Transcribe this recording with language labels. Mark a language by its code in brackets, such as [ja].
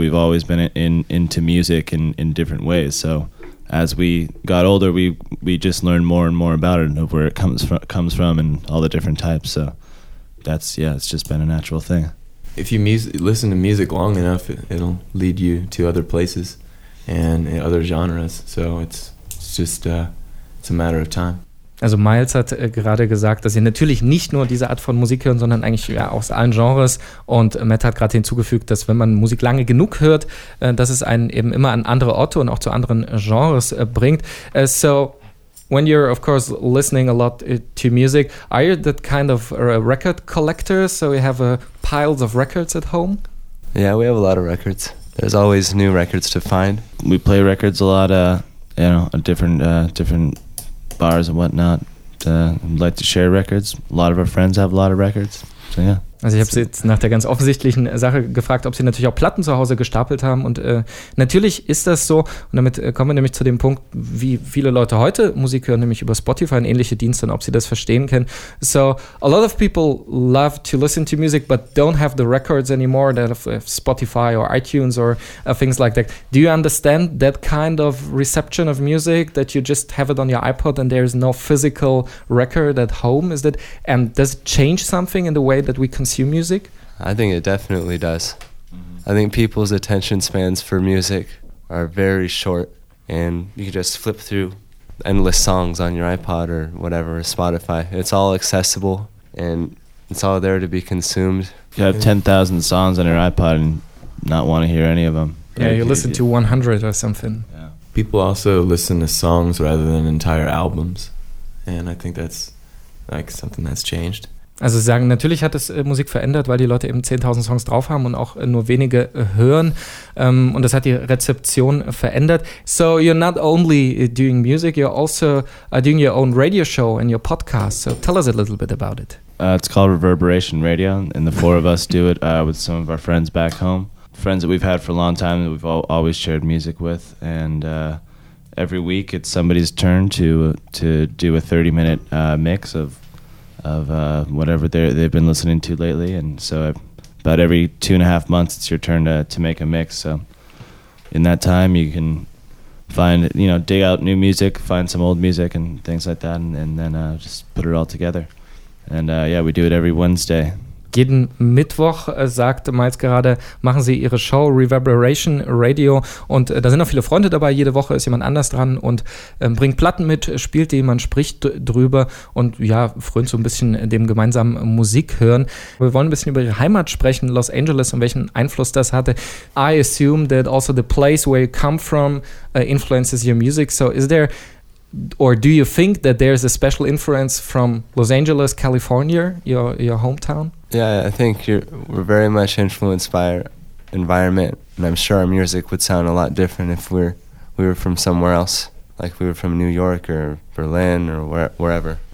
[en] We've always been into music in different ways. So as we got older, we just learned more and more about it and of where it comes from and all the different types. So that's, yeah, it's just been a natural thing. If you listen to music long enough, it'll lead you to other places and other genres. So it's just a matter of time. [de] Also Miles hat gerade gesagt, dass ihr natürlich nicht nur diese Art von Musik hören, sondern eigentlich ja aus allen Genres. Und Matt hat gerade hinzugefügt, dass wenn man Musik lange genug hört, dass es einen eben immer an andere Orte und auch zu anderen Genres bringt. [en] So when you're of course listening a lot to music, are you that kind of a record collector? So you have piles of records at home? Yeah, we have a lot of records. There's always new records to find. We play records a lot, different bars and whatnot. Like to share records. A lot of our friends have a lot of records. So yeah. [de] Also ich habe sie jetzt nach der ganz offensichtlichen Sache gefragt, ob sie natürlich auch Platten zu Hause gestapelt haben, und natürlich ist das so, und damit kommen wir nämlich zu dem Punkt, wie viele Leute heute Musik hören, nämlich über Spotify und ähnliche Dienste, und ob sie das verstehen können. [en] So a lot of people love to listen to music but don't have the records anymore, that of Spotify or iTunes or things like that. Do you understand that kind of reception of music, that you just have it on your iPod and there is no physical record at home? Is that, and does it change something in the way that we consume music? I think it definitely does. I think people's attention spans for music are very short, and you can just flip through endless songs on your iPod or whatever, Spotify. It's all accessible and it's all there to be consumed. You have 10,000 songs on your iPod and not want to hear any of them. Yeah, you listen to 100 or something. Yeah. People also listen to songs rather than entire albums, and I think that's like something that's changed. [de] Also sagen, natürlich hat es Musik verändert, weil die Leute eben 10.000 Songs drauf haben und auch nur wenige hören. Und das hat die Rezeption verändert. [en] So you're not only doing music, you're also doing your own radio show and your podcast. So tell us a little bit about it. It's called Reverberation Radio, and the four of us do it with some of our friends back home. Friends that we've had for a long time that we've always shared music with. And every week it's somebody's turn to do a 30-minute mix of whatever they've been listening to lately, and so about every 2.5 months it's your turn to make a mix. So in that time you can find, you know, dig out new music, find some old music and things like that, and then just put it all together. And yeah, we do it every Wednesday [de] Jeden Mittwoch, sagt Miles gerade, machen sie ihre Show Reverberation Radio. Und da sind auch viele Freunde dabei. Jede Woche ist jemand anders dran und bringt Platten mit, spielt die, man spricht drüber und ja, frönt so ein bisschen dem gemeinsamen Musik hören. Wir wollen ein bisschen über ihre Heimat sprechen, Los Angeles, und welchen Einfluss das hatte. [en] I assume that also the place where you come from influences your music. So is there, or do you think that there is a special influence from Los Angeles, California, your hometown? Yeah, I think we're very much influenced by our environment, and I'm sure our music would sound a lot different if we were from somewhere else, like we were from New York or Berlin or wherever.